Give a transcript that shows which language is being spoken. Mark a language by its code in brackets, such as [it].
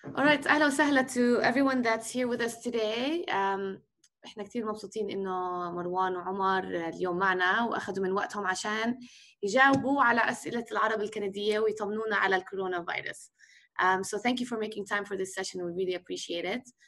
[en] All right, [ar] أهلا وسهلا [en] to everyone that's here with us today. [ar] إحنا كتير مبسوطين إنه مروان وعمر اليوم معنا وأخذوا من وقتهم عشان يجاوبوا على أسئلة العرب الكندية ويطمنونا على الكورونا فيروس. [en] So thank you for making time for this session. We really appreciate it.